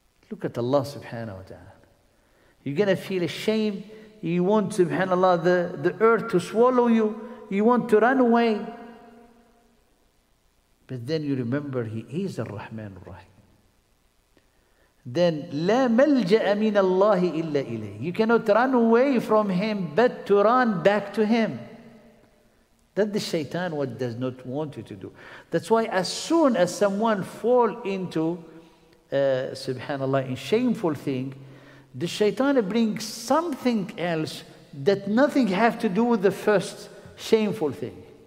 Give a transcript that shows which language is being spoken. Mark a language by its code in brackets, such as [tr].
[en] Look at Allah subhanahu wa ta'ala. You're going to feel ashamed. You want, subhanallah, the earth to swallow you. You want to run away. But then you remember He is Ar-Rahman Ar-Rahim. [ar] Then, لا ملجأ من الله إلا إليه. [en] You cannot run away from Him, but to run back to Him. That the shaitan what does not want you to do. That's why as soon as someone fall into, subhanAllah, in shameful thing, the shaitan brings something else that nothing have to do with the first shameful thing.